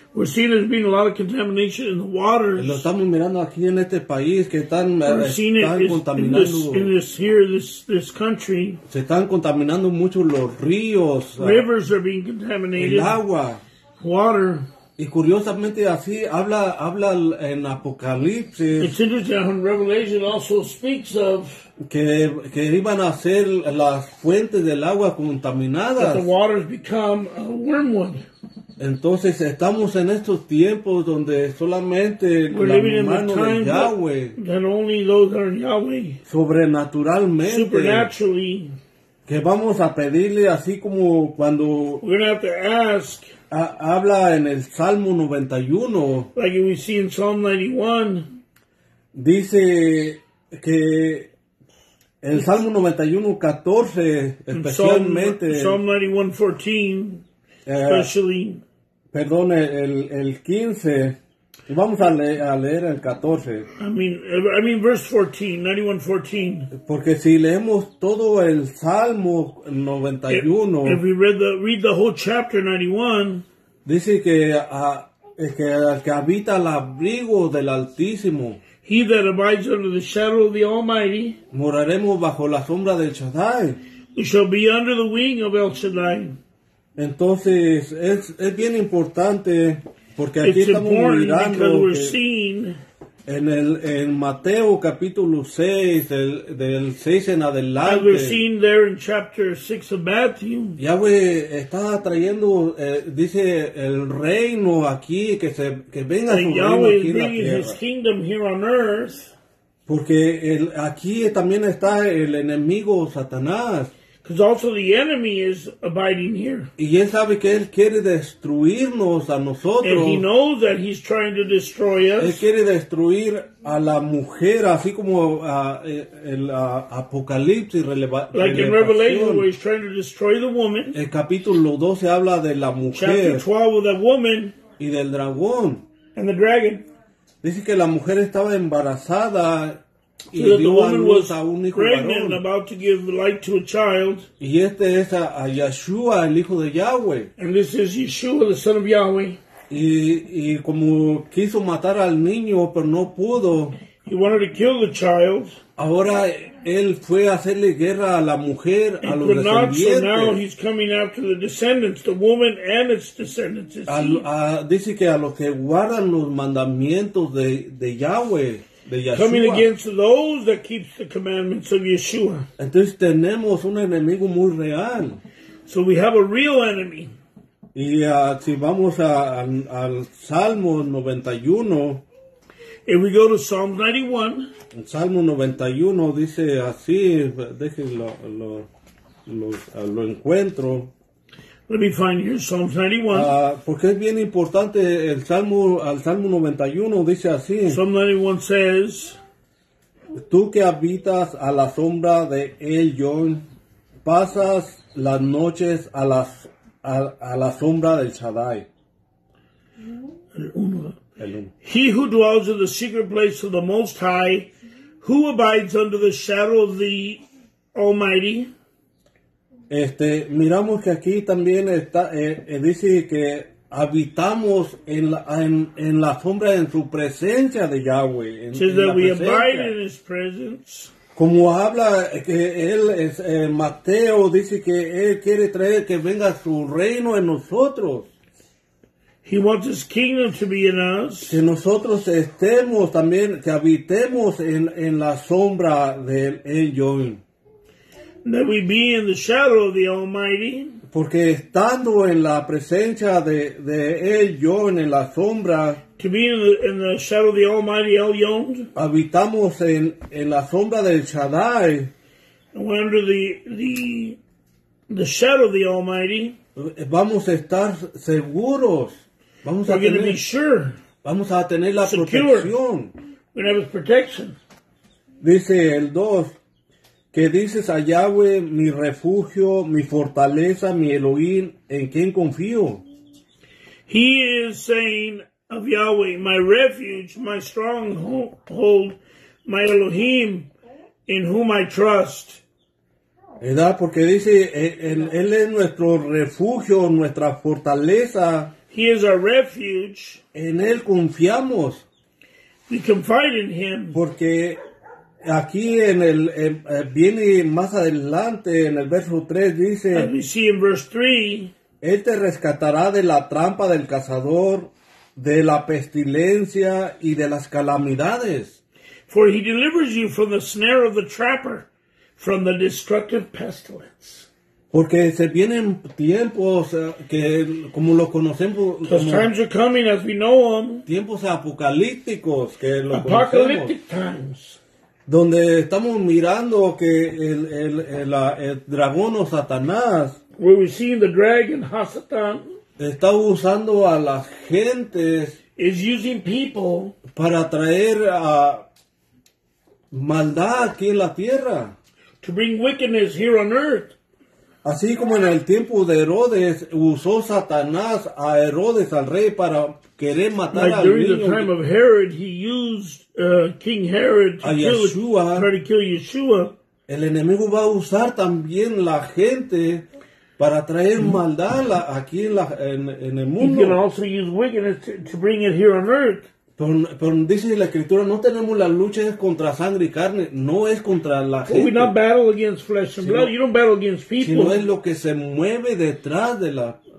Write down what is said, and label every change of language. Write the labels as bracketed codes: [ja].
[en] We're seeing there's been a lot of contamination in the waters. [es] Lo estamos mirando aquí en este país que están contaminando. [en] In this country. [es] Se están contaminando mucho los ríos. [en] Rivers are being contaminated. [es] El agua. [en] Water. [es] Y curiosamente así habla en Apocalipsis. [en] It's interesting how Revelation also speaks of [es] que iban a ser las fuentes del agua contaminadas. [en] That the waters become a wormwood. [es] Entonces estamos en estos tiempos donde solamente la mano de Yahweh, [en] that only those that are in Yahweh [es] sobrenaturalmente, [en] supernaturally, [es] que vamos a pedirle así como cuando [en] we're gonna have to ask, [es] habla en el Salmo 91, [en] like we see in Psalm 91, [es] dice que el Salmo 91, 14, especialmente, [en] Psalm 91, 14, especially. [es] Perdón, el 15. Y vamos a leer el 14. [en] I mean verse 14, 91:14. [es] Porque si leemos todo el Salmo 91. [en] If we read the whole chapter 91. [es] Dice que el que habita al abrigo del Altísimo. [en] He that abides under the shadow of the Almighty. [es] Moraremos bajo la sombra del Shaddai. [en] You shall be under the wing of El Shaddai. [es] Entonces, es bien importante, porque aquí [en] it's [es] estamos mirando en Mateo capítulo 6, del 6 en adelante. [en] We're seeing there in chapter 6 of Matthew. [es] Yahweh está trayendo, dice, el reino aquí, que venga su reino aquí en la tierra. [en] Yahweh is bringing his kingdom here on earth. [es] Porque aquí también está el enemigo Satanás. [en] Because also the enemy is abiding here. [es] Y él sabe que él quiere destruirnos a nosotros. [en] And he knows that he's trying to destroy us. [es] Él quiere destruir a la mujer, así como el Apocalipsis. [en] Like in Revelation, where he's trying to destroy the woman. [es] El capítulo 12 habla de la mujer. [en] Chapter 12 of the woman. [es] Y del dragón. [en] And the dragon. [es] Dice que la mujer estaba embarazada. Y so dio a luz a un hijo varón. [en] About to give light to a child. [es] Y este es a Yeshua, el hijo de Yahweh. [en] And this is Yeshua, the son of Yahweh. [es] Y como quiso matar al niño, pero no pudo. [en] He wanted to kill the child. [es] Ahora él fue a hacerle guerra a la mujer, [en] and [es] a los descendientes. [en] So now he's coming after the descendants, the woman and its descendants. [es] Dice que a los que guardan los mandamientos de Yahweh. [en] Coming against those that keep the commandments of Yeshua. [es] Entonces tenemos un enemigo muy real. [en] So we have a real enemy. [es] Y si vamos al Salmo 91. [en] If we go to Psalm 91. [es] En Salmo 91 dice así, déjenlo encuentro. [en] Let me find here Psalm 91. [es] Porque es bien importante el Salmo, al Salmo 91 dice así. [en] Psalm 91 says, [es] tú que habitas a la sombra de Elyon, pasas las noches a la sombra del Shaddai. El uno. [en] He who dwells in the secret place of the Most High, who abides under the shadow of the Almighty. [es] Miramos que aquí también está, dice que habitamos en la sombra, en su presencia de Yahweh. [en] Abide in his presence. [es] Como habla que él, Mateo dice que él quiere traer que venga su reino en nosotros. [en] He wants his kingdom to be in us. [es] Que nosotros estemos también, que habitemos en la sombra del Elyon. [en] That we be in the shadow of the Almighty. [es] Porque estando en la presencia de Elyon, en la sombra. [en] To be in the shadow of the Almighty Elyon. [es] Habitamos en la sombra del Shaddai. [en] We're under the shadow of the Almighty. [es] Vamos a estar seguros. Vamos [en] we're [es] a tener, [en] going to be sure. [es] Vamos a tener la [en] secure. [es] Protección. [en] We're going to have his protection. [es] Dice el 2. Que dices a Yahweh, mi refugio, mi fortaleza, mi Elohim, ¿en quién confío? [en] He is saying of Yahweh, my refuge, my stronghold, my Elohim, in whom I trust. [es] ¿Verdad? Porque dice, él es nuestro refugio, nuestra fortaleza. [en] He is our refuge. [es] En él confiamos. [en] We confide in him. [es] Porque aquí en el viene más adelante en el verso 3 dice, [en] as we see in verse 3, [es] él te rescatará de la trampa del cazador, de la pestilencia y de las calamidades. [en] For he delivers you from the snare of the trapper, from the destructive pestilence. [es] Porque se vienen tiempos que como lo conocemos, [en] those times are coming as we know them, [es] tiempos apocalípticos que lo [en] apocalyptic [es] conocemos [en] times. [es] Donde estamos mirando que el dragón o Satanás, [en] where we see the dragon, Hasatan, [es] está usando a las gentes, [en] is using people, [es] para traer maldad aquí en la tierra, [en] to bring wickedness here on earth. [es] Así como en el tiempo de Herodes, usó Satanás a Herodes, al rey, para querer matar [en] like [es] al niño. [en] During the time of Herod, he used King Herod to kill Yeshua. [es] El enemigo va a usar también la gente para traer maldad aquí en el mundo. [en] He can also use wickedness to bring it here on earth. [es] Pero dice la escritura, no tenemos la lucha es contra sangre y carne, no es contra la gente. [en] We not battle against flesh and blood. You don't battle against people. [es] Sino es lo que se mueve detrás de la.